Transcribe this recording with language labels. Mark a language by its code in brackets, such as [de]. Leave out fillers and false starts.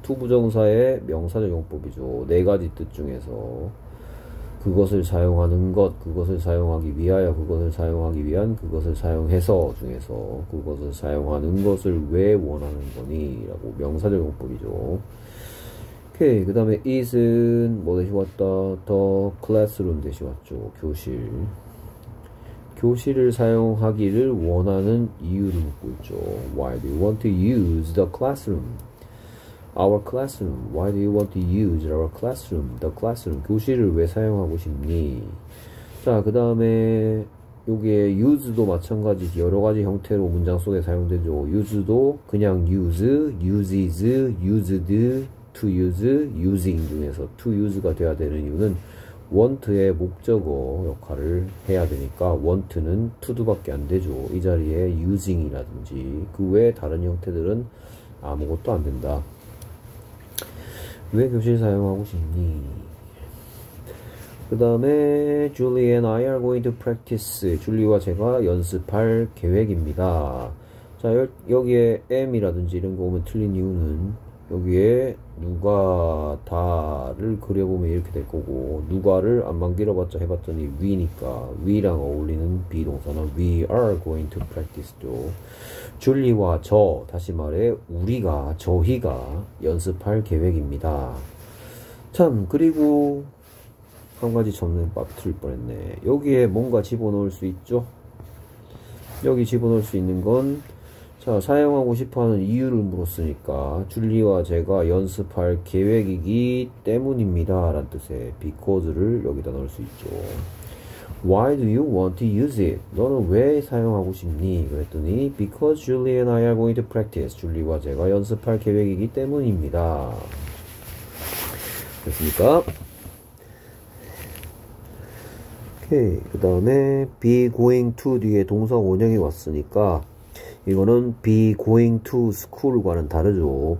[ko] 투부정사의 명사적 용법이죠. 네 가지 뜻 중에서 그것을 사용하는 것, 그것을 사용하기 위하여, 그것을 사용하기 위한, 그것을 사용해서 중에서 그것을 사용하는 것을 왜 원하는 거니?라고 명사적 용법이죠. 오케이, 그 다음에 is은 뭐 대신 왔다? [en] The classroom [ko] 대신 왔죠. 교실. 교실을 사용하기를 원하는 이유를 묻고 있죠. [en] Why do you want to use the classroom? Our classroom. Why do you want to use our classroom? The classroom. [ko] 교실을 왜 사용하고 싶니? 자, 그 다음에 여기에 use도 마찬가지지. 여러 가지 형태로 문장 속에 사용되죠. use도 그냥 use, uses, used, to use, using 중에서 to use가 되어야 되는 이유는 want의 목적어 역할을 해야 되니까 want는 to도밖에 안 되죠. 이 자리에 using이라든지 그 외에 다른 형태들은 아무것도 안 된다. 왜 교실 사용하고 싶니? 그 다음에 [en] Julie and I are going to practice. [ko] 줄리와 제가 연습할 계획입니다. 자, 여기에 am이라든지 이런 거 오면 틀린 이유는 여기에 누가 다를 그려보면 이렇게 될 거고 누가를 안만 길어봤자 해봤더니 we니까 we랑 어울리는 be 동사는 [en] we are going to practice [ko] 죠. 줄리와 저 다시 말해 우리가 저희가 연습할 계획입니다. 참 그리고 한 가지 접는 빠뜨릴 뻔했네. 여기에 뭔가 집어넣을 수 있죠? 여기 집어넣을 수 있는 건 자, 사용하고 싶어 하는 이유를 물었으니까, 줄리와 제가 연습할 계획이기 때문입니다. 라는 뜻의 because를 여기다 넣을 수 있죠. [en] Why do you want to use it? [ko] 너는 왜 사용하고 싶니? 그랬더니, [en] because Julie and I are going to practice. [ko] 줄리와 제가 연습할 계획이기 때문입니다. 됐습니까? 오케이. 그 다음에, be going to 뒤에 동사 원형이 왔으니까, 이거는 [en] be going to school [ko] 과는 다르죠.